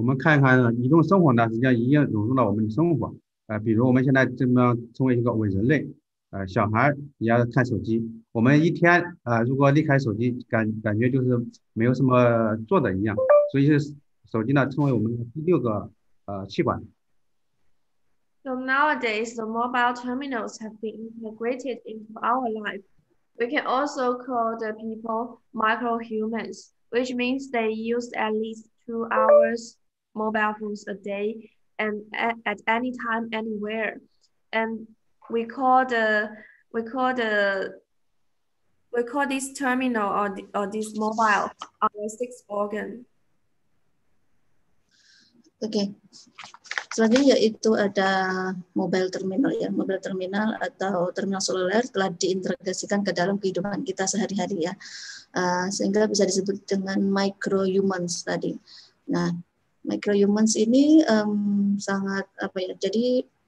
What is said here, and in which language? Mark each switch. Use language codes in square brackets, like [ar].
[zh] 我们看看移动生活呢，实际上已经融入到我们的生活。比如我们现在怎么成为一个伟人类，小孩也要看手机，我们一天如果离开手机，感觉就是没有什么做的一样，所以手机呢成为我们第六个器官。 [en] So nowadays the mobile terminals have been integrated into our life. We can also call the people microhumans, which means they use at least 2 hours mobile phones a day. And at any time, anywhere, and we call this terminal or this mobile our sixth organ. [id] Okay, selanjutnya yaitu ada mobile terminal ya, mobile terminal atau terminal seluler telah diintegrasikan ke dalam kehidupan kita sehari-hari ya, sehingga bisa disebut dengan micro humans tadi. Nah. Microhumans ini sangat apa ya? Jadi